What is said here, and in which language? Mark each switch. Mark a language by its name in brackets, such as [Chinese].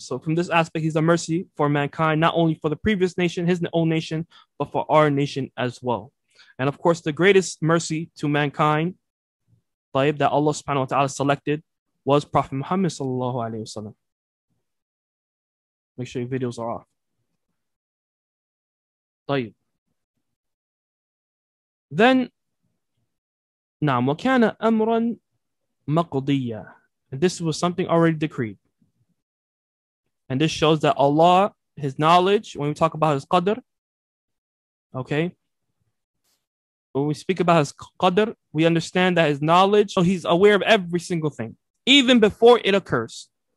[English] So from this aspect, he's a mercy for mankind, not only for the previous nation, his own nation, but for our nation as well. And of course, the greatest mercy to mankind, طيب, that Allah subhanahu wa ta'ala selected, was Prophet Muhammad sallallahu alayhi wa sallam. Make sure your videos are off. [Arabic] طيب. [English] Then, [Arabic] نعم, وكان أمرا مقضيا. [English] And this was something already decreed. And this shows that Allah, his knowledge, when we talk about his qadr, okay? When we speak about his qadr, we understand that his knowledge, so he's aware of every single thing, even before it occurs.